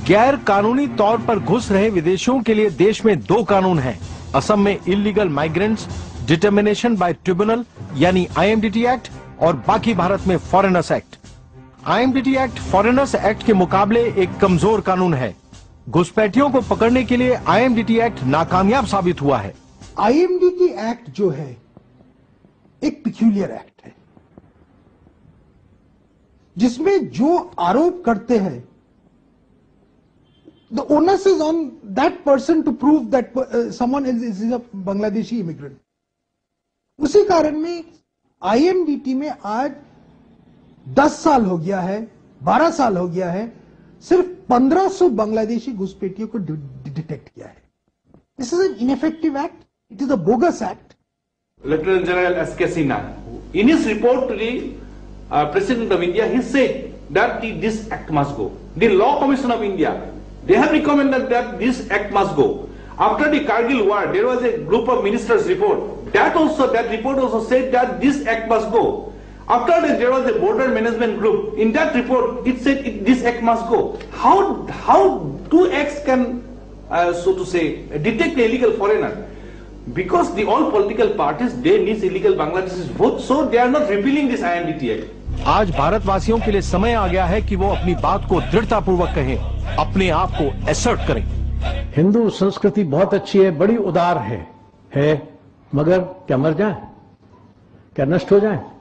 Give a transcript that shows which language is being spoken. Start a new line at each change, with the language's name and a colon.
Hindi: गैर कानूनी तौर पर घुस रहे विदेशियों के लिए देश में दो कानून हैं: असम में illegal migrants determination by tribunal यानी IMDT एक्ट, और बाकी भारत में foreigners act. IMDT act foreigners act के मुकाबले एक कमजोर कानून है। घुसपैठियों को पकड़ने के लिए IMDT एक्ट नाकामयाब साबित हुआ है। IMDT एक्ट जो है एक पिक्यूलियर एक्ट है जिसमें जो आरोप करते हैं
English: the onus is on that person to prove that someone is a Bangladeshi immigrant.
Hindi: उसी कारण में IMDT में आज 10 साल हो गया है, 12 साल हो गया है, सिर्फ 1500 बांग्लादेशी घुसपैठियों को डिटेक्ट किया है।
English: This is an ineffective act. It is a bogus act. Lieutenant General S.K. Sinha, in his report to the President of India, he said that this act must go. The Law Commission of India, they have recommended that this act must go. After the Kargil war, there was a group of ministers' report. That report also said that this act must go. After that, there was a border management group. In that report, it said this act must go. How two acts can, detect the illegal foreigner? Because the all political parties, they need illegal Bangladeshis vote, so they are not repealing this IMDT act.
Hindi: आज भारतवासियों के लिए समय आ गया है कि वो अपनी बात को दृढ़तापूर्वक कहें, अपने आप को एसर्ट करें। हिंदू संस्कृति बहुत अच्छी है, बड़ी उदार है, मगर क्या मर जाए, क्या नष्ट हो जाए?